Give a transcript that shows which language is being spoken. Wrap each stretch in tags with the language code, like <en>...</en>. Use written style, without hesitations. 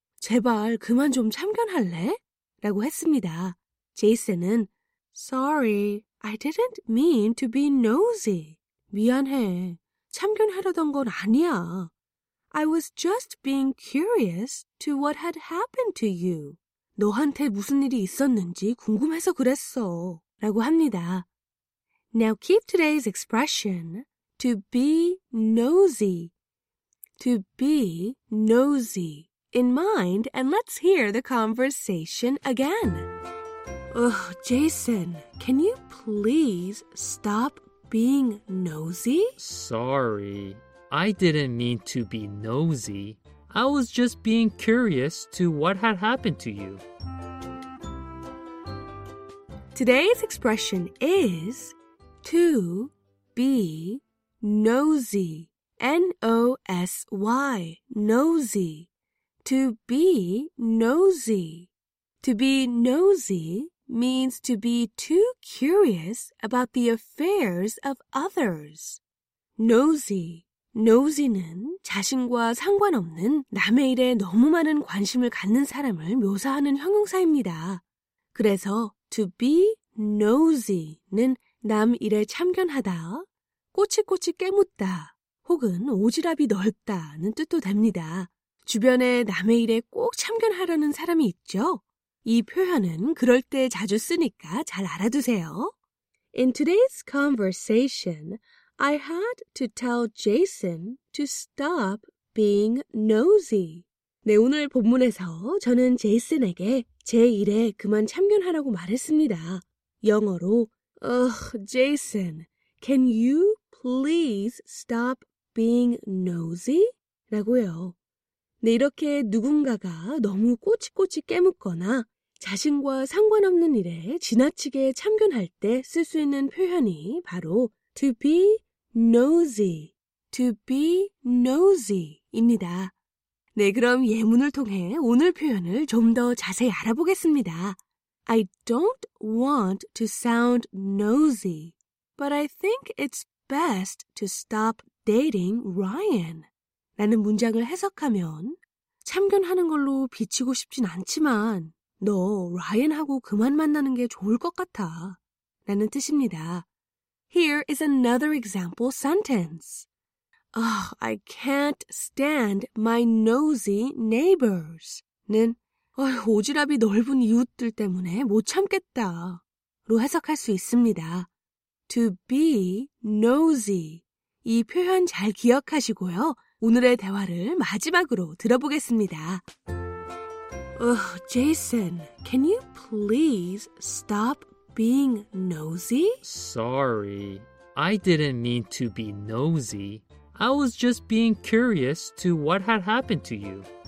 <ko>제발 그만 좀 참견할래? 라고 했습니다. 제이슨은</ko> <en>Sorry, I didn't mean to be nosy.</en> <ko>미안해. 참견하려던 건 아니야.</ko> <en>I was just being curious to what had happened to you.</en> <ko>너한테 무슨 일이 있었는지 궁금해서 그랬어. 라고 합니다.</ko> <en>Now keep today's expression, to be nosy. To be nosy in mind, and let's hear the conversation again. Ugh, Jason, can you please stop being nosy? Sorry, I didn't mean to be nosy. I was just being curious to what had happened to you. Today's expression is to be nosy. N-O-S-Y, nosy. To be nosy. To be nosy means to be too curious about the affairs of others. Nosy.</en> <ko>Nosy는 자신과 상관없는 남의 일에 너무 많은 관심을 갖는 사람을 묘사하는 형용사입니다. 그래서 to be nosy는 남 일에 참견하다, 꼬치꼬치 깨묻다, 혹은 오지랖이 넓다는 뜻도 됩니다. 주변에 남의 일에 꼭 참견하려는 사람이 있죠? 이 표현은 그럴 때 자주 쓰니까 잘 알아두세요.</ko> <en>In today's conversation, I had to tell Jason to stop being nosy.</en> <ko>네, 오늘 본문에서 저는 제이슨에게 제 일에 그만 참견하라고 말했습니다. 영어로</ko> <en>Ugh, Jason, can you please stop being nosy?</en> <ko>라고요. 네, 이렇게 누군가가 너무 꼬치꼬치 깨묻거나 자신과 상관없는 일에 지나치게 참견할 때 쓸 수 있는 표현이 바로 to be nosy, to be nosy입니다. 네, 그럼 예문을 통해 오늘 표현을 좀 더 자세히 알아보겠습니다.</ko> <en>I don't want to sound nosy, but I think it's best to stop dating Ryan.</en> <ko>라는 문장을 해석하면 참견하는 걸로 비치고 싶진 않지만 너 라이언하고 그만 만나는 게 좋을 것 같아 라는 뜻입니다.</ko> <en>Here is another example sentence. Oh, I can't stand my nosy neighbors.</en> <ko>는 오지랖이 넓은 이웃들 때문에 못 참겠다 로 해석할 수 있습니다.</ko> <en>To be nosy.</en> <ko>이 표현 잘 기억하시고요. 오늘의 대화를 마지막으로 들어보겠습니다.</ko> <en>Ugh, Jason, can you please stop being nosy? Sorry, I didn't mean to be nosy. I was just being curious to what had happened to you.</en>